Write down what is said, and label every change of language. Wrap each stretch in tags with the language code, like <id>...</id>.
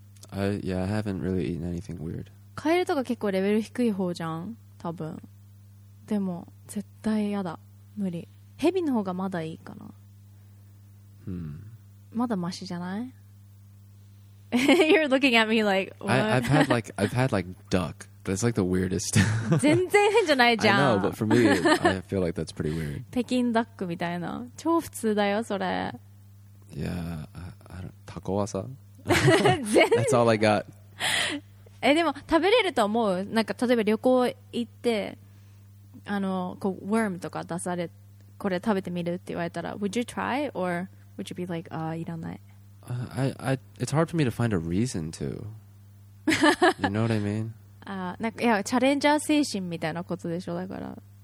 <en>Yeah, I haven't really eaten anything weird.</en> <ja>カエルとか結構レベル低い方じゃん多分。でも絶対やだ無理。ヘビの方がまだいいかな、まだマシじゃない。</ja> <en>You're looking at me like I've had like duck, but it's like the weirdest.</en> <ja>全然変じゃないじゃん。</ja> <en>I know, but for me I feel like that's pretty weird.</en> <ja>北京ダックみたいな超普通だよそれ。</ja> <en>Yeah, I don't, タコワサ That's all I got.</en> <ja>でも食べれると思う。なんか例えば旅行行ってあのこうワームとか出されこれ食べてみるって言われたら</ja> <en>Would you try or would you be like</en> <ja>あいらない。</ja> <en>I it's hard for me to find a reason to. You know what I mean?</en> <ja>なんかいやチャレンジャー精神みたいなことでしょだから。</ja>